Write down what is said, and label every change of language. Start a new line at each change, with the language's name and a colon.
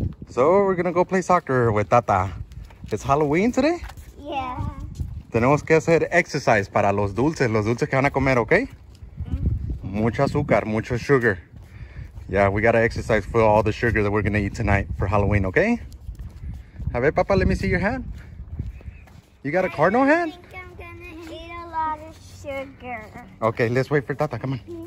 English: So, we're going to go play soccer with Tata. It's Halloween today? Yeah.
Spanish: Tenemos que hacer exercise para los dulces que van a comer, ¿ok? Mm-hmm. Mucho azúcar, mucho sugar.
English: Yeah, we got to exercise for all the sugar that we're going to eat tonight for Halloween, ¿ok?
Spanish: A ver, papá,
English: let me see your hand. You got a cardinal hand? I think I'm gonna eat a lot of sugar. Okay, let's wait for Tata. Come on.